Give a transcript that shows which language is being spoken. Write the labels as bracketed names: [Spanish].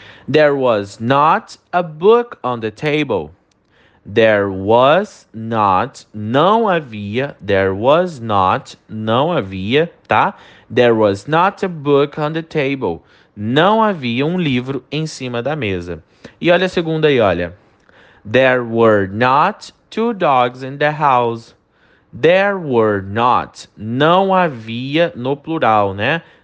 [English] There was not a book on the table. There was not, [Portuguese] não havia. [English] There was not, [Portuguese] não havia, tá? [English] There was not a book on the table. [Portuguese] Não havia um livro em cima da mesa. E olha a segunda aí, olha. [English] There were not two dogs in the house. There were not, [Portuguese] não havia no plural, né?